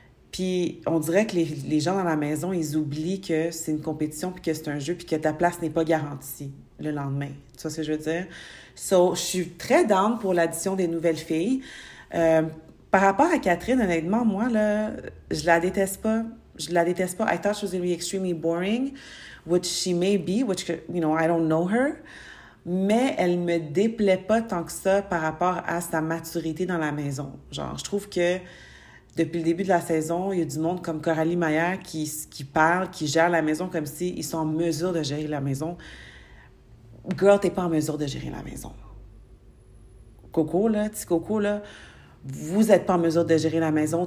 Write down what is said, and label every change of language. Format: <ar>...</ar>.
<fr>Puis on dirait que les gens dans la maison, ils oublient que c'est une compétition, puis que c'est un jeu, puis que ta place n'est pas garantie le lendemain. Tu vois ce que je veux dire? So, je suis très down pour l'addition des nouvelles filles. Par rapport à Catherine, honnêtement, moi, là, je la déteste pas. Je la déteste pas.</fr> <en>I thought she was going to be extremely boring, which she may be, I don't know her.</en> <fr>Mais elle me déplaît pas tant que ça par rapport à sa maturité dans la maison. Genre, je trouve que depuis le début de la saison, il y a du monde comme Coralie Maillard qui parle, qui gère la maison comme si ils sont en mesure de gérer la maison. Girl, t'es pas en mesure de gérer la maison. Coco, là, petit Coco, là, vous n'êtes pas en mesure de gérer la maison.</fr>